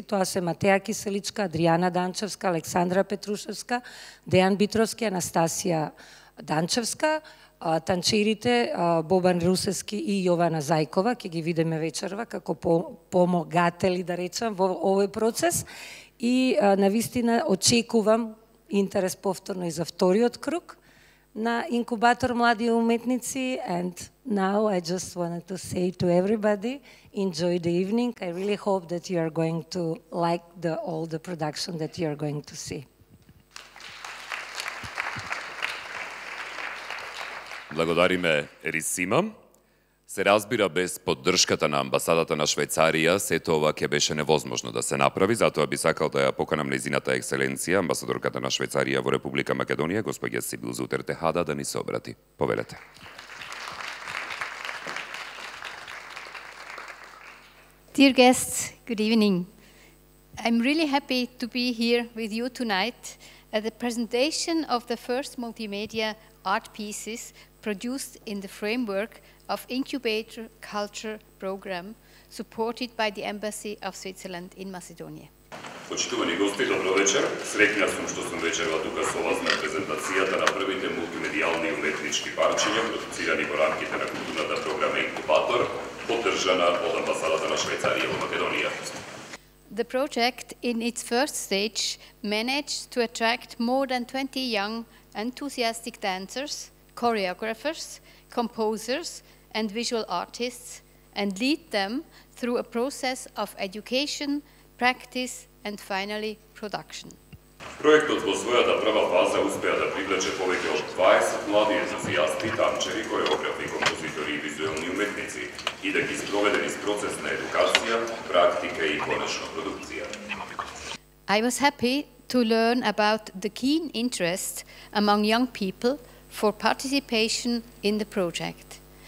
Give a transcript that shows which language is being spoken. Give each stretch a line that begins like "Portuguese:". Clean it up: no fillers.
Macedonian: Тоа се Матеја Киселичка, Адријана Данчевска, Александра Петрушевска, Дејан Битровски, Анастасија Данчевска, танчерите Бобан Русески и Јована Зајкова, ќе ги видиме вечерва како помогатели, да речам, во овој процес. И на вистина очекувам интерес повторно и за вториот круг. na inkubator mladi umetnici,
English: and now I just wanted to say to everybody, enjoy the evening. I really hope that you are going to like all the production that you are going to see.
Macedonian: Благодариме, Рисима. Се разбира, без поддршката на амбасадата на Швајцарија, сето ова ќе беше невозможно да се направи, затоа би сакал да ја поканам нејзината екселенција, амбасадорката на Швајцарија во Република Македонија, госпоѓа Сибил Зутер-Техада, да ни се обрати. Повелете.
English: Dear guests, good evening. I'm really happy to be here with you tonight at the presentation of the first multimedia art pieces produced in the framework of Incubator Culture Program, supported by the Embassy of Switzerland in Macedonia.
Macedonian: Почитувани гости, добро вечер. Среќна сум што сум вечерва тука со вас на презентацијата на првите мултимедијални уметнички парчиња, продуцирани во рамките на културната програма Инкубатор, поддржана од амбасадата на Швајцарија во Македонија.
English: The project, in its first stage, managed to attract more than 20 young, enthusiastic dancers, choreographers, composers, and visual artists, and lead them through a process of education, practice, and finally, production.
Macedonian: Проектот во својата прва фаза успеа да привлече повеќе од 20 млади ентузијасти, танчери, кореографи, композитори и визуелни уметници и да ги спроведе низ процес на едукација, практика и конечно продукција.
English: I was happy to learn about the keen interest among young people for participation in the project.